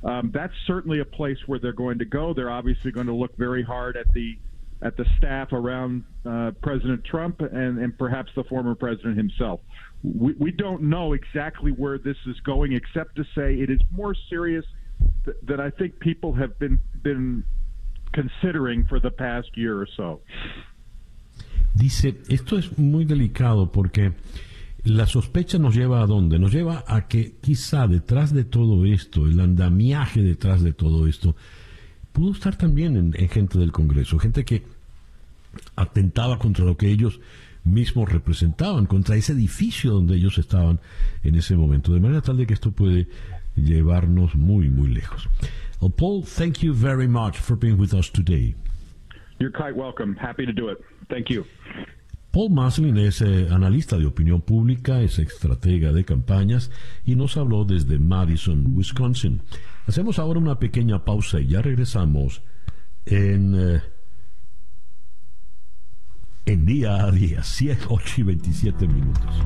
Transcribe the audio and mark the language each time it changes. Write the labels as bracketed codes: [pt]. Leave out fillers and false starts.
[en] That's certainly a place where they're going to go. They're obviously going to look very hard at the staff around President Trump and perhaps the former president himself. We don't know exactly where this is going, except to say it is more serious than I think people have been considering for the past year or so. [es] Dice, esto es muy delicado porque la sospecha nos lleva a dónde? Nos lleva a que quizá detrás de todo esto, el andamiaje detrás de todo esto, pudo estar también en gente del Congreso, gente que atentaba contra lo que ellos mismos representaban, contra ese edificio donde ellos estaban en ese momento, de manera tal de que esto puede llevarnos muy, muy lejos. [en] Well, Paul, thank you very much for being with us today. You're quite welcome. Happy to do it. Thank you. [es] Paul Maslin es analista de opinión pública, es estratega de campañas y nos habló desde Madison, Wisconsin. Hacemos ahora una pequeña pausa y ya regresamos en día a día, 8 y 27 minutos.